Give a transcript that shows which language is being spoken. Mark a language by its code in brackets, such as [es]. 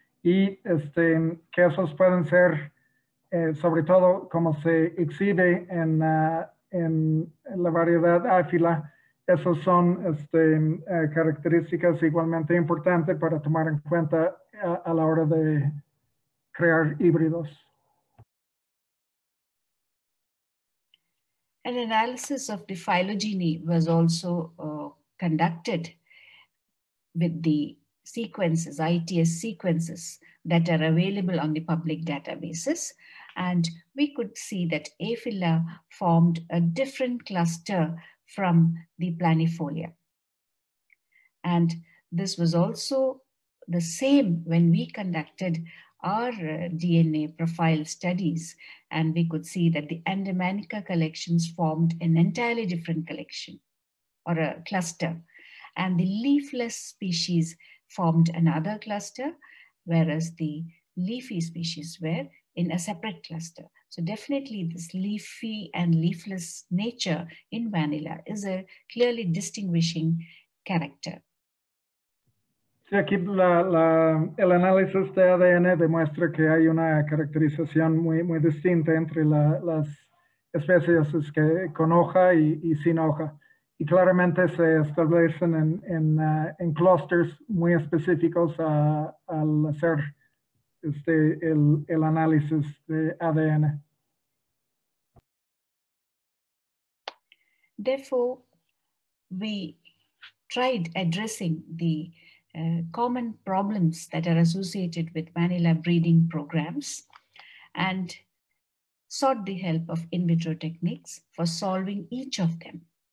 [es] Y que esos pueden ser, sobre todo como se exhibe en la variedad áfila, esas son características igualmente importantes para tomar en cuenta a la hora de crear híbridos. [en] An analysis of the phylogeny was also conducted with the sequences, ITS sequences, that are available on the public databases. And we could see that aphylla formed a different cluster from the planifolia. And this was also the same when we conducted our DNA profile studies, and we could see that the Andamanica collections formed an entirely different collection or a cluster, and the leafless species formed another cluster, whereas the leafy species were in a separate cluster. So definitely this leafy and leafless nature in vanilla is a clearly distinguishing character. [es] Sí, aquí el análisis de ADN demuestra que hay una caracterización muy distinta entre las especies que con hoja y sin hoja. Y claramente se establecen en clusters muy específicos al hacer el análisis de ADN. [en] Therefore, we tried addressing the common problems that are associated with vanilla breeding programs and sought the help of in vitro techniques for solving each of them.